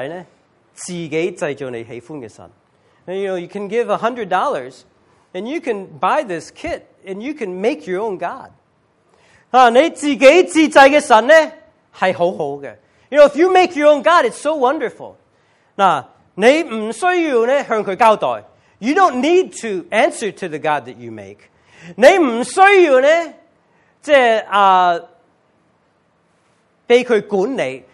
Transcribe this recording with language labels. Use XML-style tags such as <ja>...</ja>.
<zh>你可以呢，就100蚊买到呢度嘅盒仔呢，自己制造你喜欢嘅神。</zh> <en>And you know, you can give $100 and you can buy this kit and you can make your own God.</en> <zh>你自己自制嘅神呢，系好好嘅。</zh> <en>You know, if you make your own God, it's so wonderful.</en> <zh>你唔需要呢向佢交代。</zh> <en>You don't need to answer to the God that you make.</en> <zh>你唔需要呢，被佢管理。</zh>